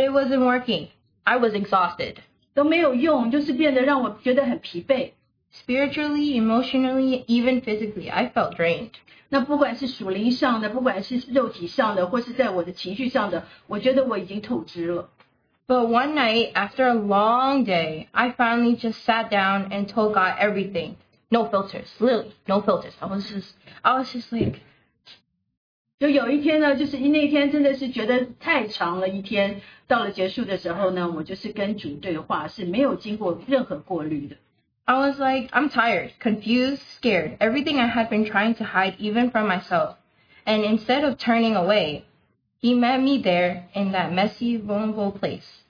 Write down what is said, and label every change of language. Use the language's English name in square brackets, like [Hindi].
[English] it wasn't working. I was exhausted. [Chinese] 都没有用,就是变得让我觉得很疲惫。 [English] Spiritually, emotionally, even physically, I felt drained. [Chinese] 那不管是属灵上的,不管是肉体上的,或是在我的情绪上的,我觉得我已经透支了。 [English] But one night, after a long day, I finally just sat down and told God everything. No filters, literally, no filters. I was just like... [Chinese] 就有一天呢,就是那天真的是觉得太长了一天, 到了结束的时候呢,我就是跟主对话,是没有经过任何过滤的。 [English] I was like, I'm tired, confused, scared. Everything I had been trying to hide even from myself. And instead of turning away, he met me there in that messy, vulnerable place.